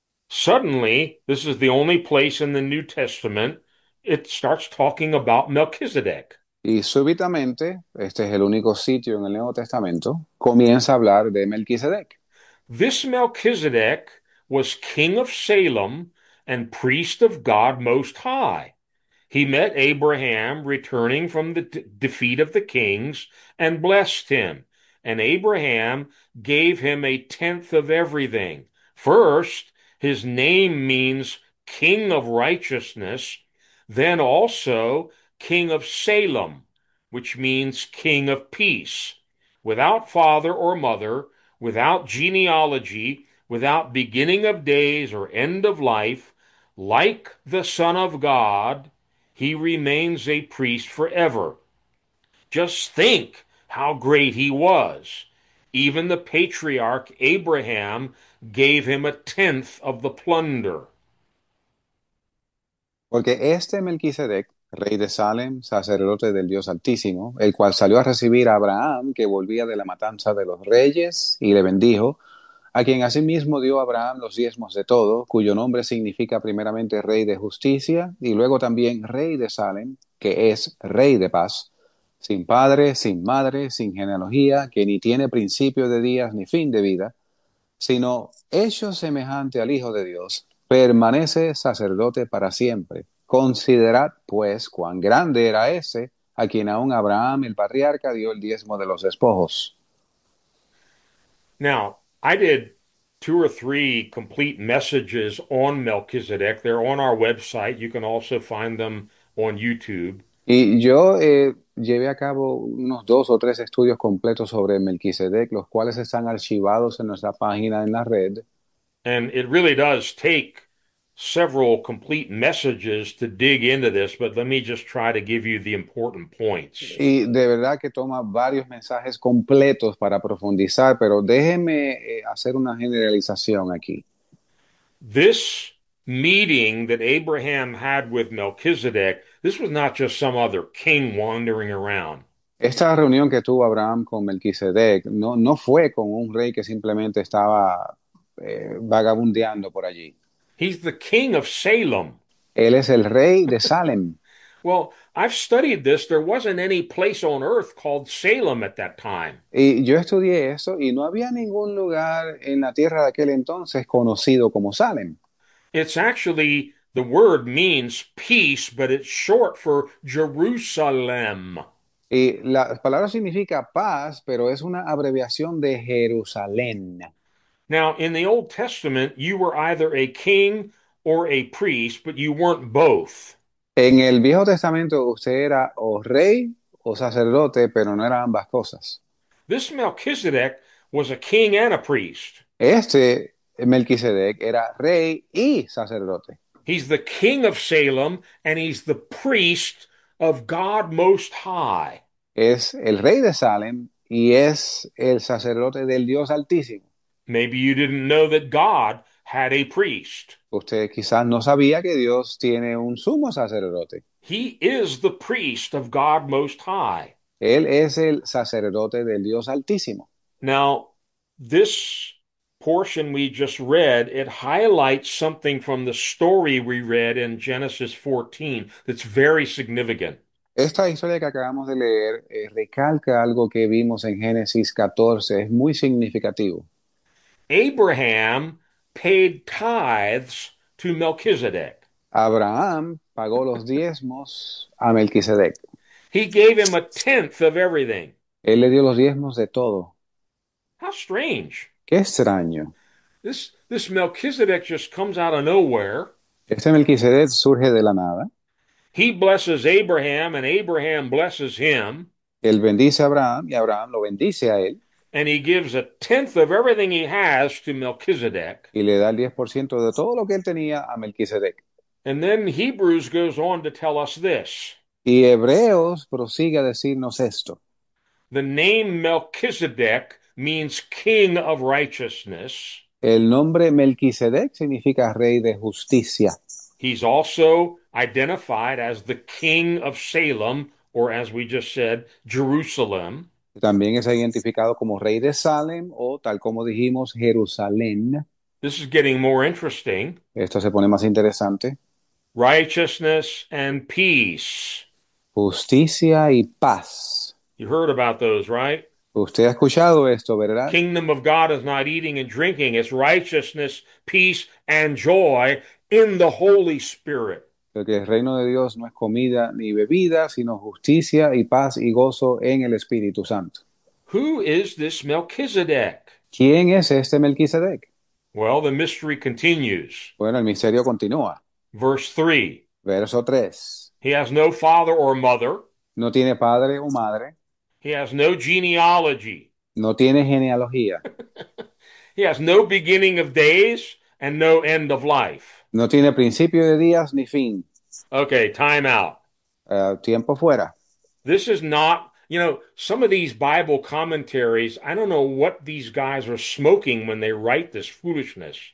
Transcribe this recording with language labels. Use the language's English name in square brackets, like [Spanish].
[English] Suddenly, this is the only place in the New Testament it starts talking about Melchizedek. [Spanish] Y súbitamente, este es el único sitio en el Nuevo Testamento, comienza a hablar de Melquisedec. [English] This Melchizedek was king of Salem and priest of God Most High. He met Abraham returning from the defeat of the kings and blessed him. And Abraham gave him a tenth of everything. First, his name means king of righteousness, then also king of Salem, which means king of peace. Without father or mother, without genealogy, without beginning of days or end of life, like the Son of God, he remains a priest forever. Just think how great he was. Even the patriarch Abraham gave him a tenth of the plunder. [Spanish] Porque este Melquisedec, rey de Salem, sacerdote del Dios Altísimo, el cual salió a recibir a Abraham, que volvía de la matanza de los reyes, y le bendijo, a quien asimismo dio Abraham los diezmos de todo, cuyo nombre significa primeramente rey de justicia, y luego también rey de Salem, que es rey de paz, sin padre, sin madre, sin genealogía, que ni tiene principio de días ni fin de vida, sino hecho semejante al Hijo de Dios. Permanece sacerdote para siempre. Considerad, pues, cuán grande era ese a quien aun Abraham, el patriarca, dio el diezmo de los despojos. [English] Now, I did two or three complete messages on Melchizedek. They're on our website. You can also find them on YouTube. [Spanish] Y yo llevé a cabo unos dos o tres estudios completos sobre Melquisedec, los cuales están archivados en nuestra página en la red. [English] And it really does take several complete messages to dig into this, but let me just try to give you the important points. [Spanish] Y de verdad que toma varios mensajes completos para profundizar, pero déjeme hacer una generalización aquí. [English] This meeting that Abraham had with Melchizedek, this was not just some other king wandering around. [Spanish] Esta reunión que tuvo Abraham con Melquisedec no fue con un rey que simplemente estaba vagabundeando por allí. [English] He's the king of Salem. [Spanish] Él es el rey de Salem. [English] Well, I've studied this. There wasn't any place on earth called Salem at that time. [Spanish] Y yo estudié eso y no había ningún lugar en la tierra de aquel entonces conocido como Salem. [English] It's actually the word means peace, but it's short for Jerusalem. [Spanish] Y la palabra significa paz, pero es una abreviación de Jerusalén. [English] Now, in the Old Testament, you were either a king or a priest, but you weren't both. [Spanish] En el Viejo Testamento usted era o rey o sacerdote, pero no eran ambas cosas. [English] This Melchizedek was a king and a priest. [Spanish] Este Melquisedec era rey y sacerdote. [English] He's the king of Salem and he's the priest of God Most High. [Spanish] Es el rey de Salem y es el sacerdote del Dios Altísimo. [English] Maybe you didn't know that God had a priest. [Spanish] Usted quizás no sabía que Dios tiene un sumo sacerdote. [English] He is the priest of God Most High. [Spanish] Él es el sacerdote del Dios Altísimo. [English] Now, this portion we just read, it highlights something from the story we read in Genesis 14 that's very significant. [Spanish] Esta historia que acabamos de leer, recalca algo que vimos en Génesis 14, es muy significativo. [English] Abraham paid tithes to Melchizedek. [Spanish] Abraham pagó los diezmos a Melquisedec. [English] He gave him a tenth of everything. [Spanish] Él le dio los diezmos de todo. [English] How strange. [Spanish] Qué extraño. [English] This Melchizedek just comes out of nowhere. [Spanish] Este Melquisedec surge de la nada. [English] He blesses Abraham, and Abraham blesses him. [Spanish] Él bendice a Abraham y Abraham lo bendice a él. [English] And he gives a tenth of everything he has to Melchizedek. [Spanish] Y le da el 10% de todo lo que él tenía a Melquisedec. [English] And then Hebrews goes on to tell us this. [Spanish] Y Hebreos prosigue a decirnos esto. [English] The name Melchizedek means king of righteousness. [Spanish] El nombre Melquisedec significa rey de justicia. [English] He's also identified as the king of Salem, or as we just said, Jerusalem. [Spanish] También es identificado como rey de Salem o, tal como dijimos, Jerusalén. [English] This is getting more interesting. [Spanish] Esto se pone más interesante. [English] Righteousness and peace. [Spanish] Justicia y paz. [English] You heard about those, right? [Spanish] Usted ha escuchado esto, ¿verdad? [English] Kingdom of God is not eating and drinking, it's righteousness, peace, and joy in the Holy Spirit. [Spanish] Porque el reino de Dios no es comida ni bebida, sino justicia y paz y gozo en el Espíritu Santo. [English] Who is this Melchizedek? [Spanish] ¿Quién es este Melquisedec? [English] Well, the mystery continues. [Spanish] Bueno, el misterio continúa. [English] Verse 3. [Spanish] Verso 3. [English] He has no father or mother. [Spanish] No tiene padre o madre. [English] He has no genealogy. [Spanish] No tiene genealogía. [English] He has no beginning of days and no end of life. [Spanish] No tiene principio de días ni fin. [English] Okay, time out. [Spanish] Tiempo fuera. [English] This is not. Some of these Bible commentaries, I don't know what these guys are smoking when they write this foolishness.